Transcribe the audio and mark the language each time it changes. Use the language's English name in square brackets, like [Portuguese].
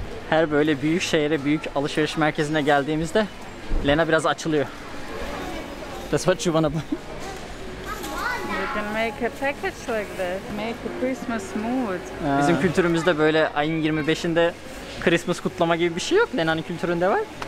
[Turkish] Her böyle büyük şehre, büyük alışveriş merkezine geldiğimizde Lena biraz açılıyor. [English] That's what you wanna buy. You can make a package like this. Make a Christmas mood. [Turkish] Bizim kültürümüzde böyle ayın 25'inde Christmas kutlama gibi bir şey yok. Lena'nın kültüründe var.